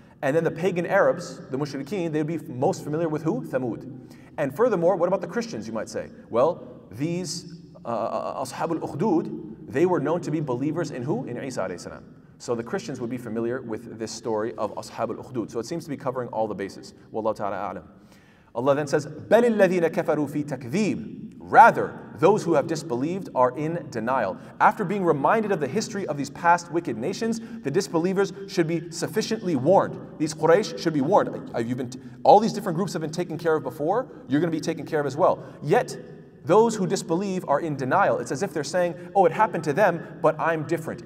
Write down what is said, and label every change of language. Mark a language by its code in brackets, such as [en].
[en] And then the pagan Arabs, the Mushrikeen, they'd be most familiar with who? Thamud. And furthermore, what about the Christians, you might say? Well, these Ashab al-Ukhdud, they were known to be believers in who? In Isa alayhi salam. So the Christians would be familiar with this story of Ashab al-Ukhdud. So it seems to be covering all the bases. Wallahu ta'ala a'lam. Allah then says, [ar] بَلِ الَّذِينَ كَفَرُوا فِي تَكْذِيبٍ. [en] Rather, those who have disbelieved are in denial. After being reminded of the history of these past wicked nations, the disbelievers should be sufficiently warned. These Quraysh should be warned. All these different groups have been taken care of before, you're going to be taken care of as well. Yet, those who disbelieve are in denial. It's as if they're saying, oh, it happened to them, but I'm different.